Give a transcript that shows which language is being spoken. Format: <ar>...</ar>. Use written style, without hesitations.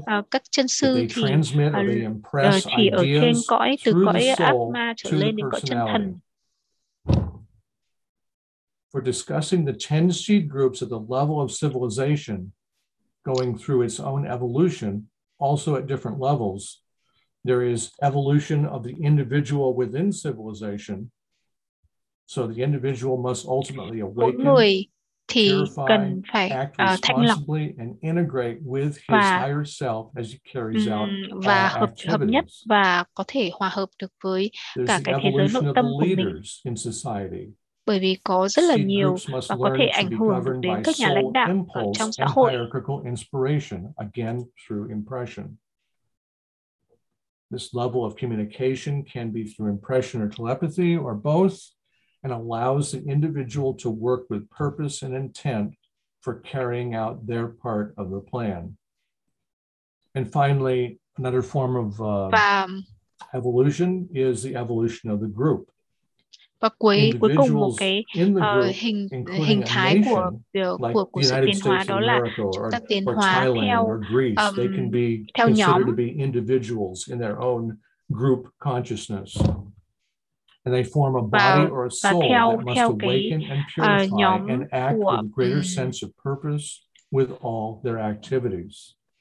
<vi>Các chân sư thì chỉ ở trên cõi, từ cõi ác ma trở lên đến cõi chân thần.</vi> <en>For discussing the 10 seed groups at the level of civilization going through its own evolution, also at different levels, there is evolution of the individual within civilization. So the individual must ultimately awaken, purify, act responsibly, and integrate with his higher self as he carries out activities.</en> <vi>Và có thể hòa hợp được với cả cái thế giới nội tâm của mình.</vi> <en>In society.</en> <vi>Bởi vì có rất là nhiều và có thể ảnh hưởng đến các nhà lãnh đạo ở trong xã hội.</vi> <en>Hierarchical inspiration, again through impression. This level of communication can be through impression or telepathy or both, and allows the individual to work with purpose and intent for carrying out their part of the plan. And finally, another form of evolution is the evolution of the group.</en> <vi>Và cuối cùng một cái hình thái của sự tiến hóa đó là chúng ta tiến hóa theo nhóm.</vi> <en>They can be individuals in their own group consciousness. And they form a body or a soul that must awaken and purify and act with greater sense of purpose with all their activities.</en>